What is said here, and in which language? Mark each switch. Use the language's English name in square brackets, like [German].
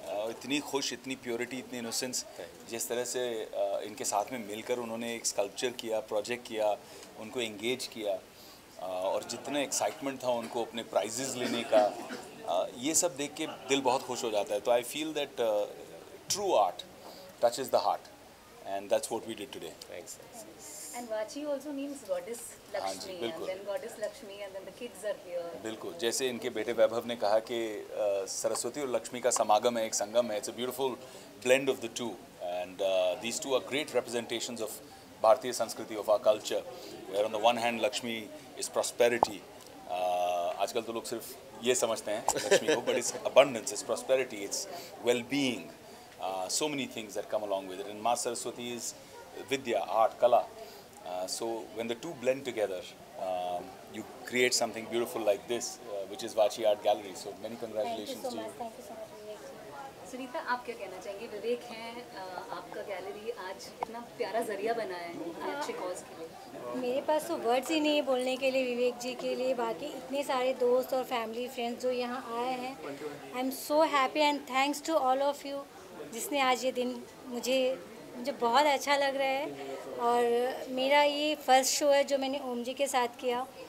[Hindi] इतनी खुश, इतनी प्योरिटी, इतनी इनोसेंस, जिस तरह से इनके साथ में मिलकर उन्होंने एक स्कल्पचर किया, प्रोजेक्ट किया, उनको एंगेज किया, और जितना एक्साइटमेंट था उनको अपने प्राइजेस लेने का, ये सब देख के दिल बहुत खुश हो जाता है. तो [English] I feel that true art touches the heart and that's what we did today. Thanks. And Vachi also means goddess Lakshmi. [Hindi] हाँ जी, बिल्कुल. [English] And then goddess Lakshmi and then the kids are here. [Hindi] बिल्कुल. जैसे इनके बेटे वैभव ने कहा कि सरस्वती और लक्ष्मी का समागम है, एक संगम है. [English] It's a beautiful blend of the two. And these two are great representations of [Hindi] भारतीय संस्कृति, [English] of our culture. Where on the one hand, Lakshmi is prosperity. [Hindi] आजकल तो लोग सिर्फ ये समझते हैं लक्ष्मी को, [English] but it's abundance, it's prosperity, it's well-being. So many things that come along with it. And Ma Saraswati is Vidya, art, kala. So when the two blend together, you create something beautiful like this, which is Vachi Art Gallery. So many congratulations to you. Thank you so much. Thank you so much, Vivek. Sunita, [Hindi] आप क्या कहना चाहेंगे? Vivek है, आपका gallery आज इतना प्यारा जरिया बना है अच्छे cause के लिए. मेरे पास तो words ही नहीं है बोलने के लिए विवेक जी के लिए, बाकी इतने सारे दोस्त और family friends जो यहाँ आए हैं. [English] I'm so happy and thanks to all of you [Hindi] जिसने आज ये दिन मुझे बहुत अच्छा लग रहा है. और मेरा ये फर्स्ट शो है जो मैंने ओम जी के साथ किया,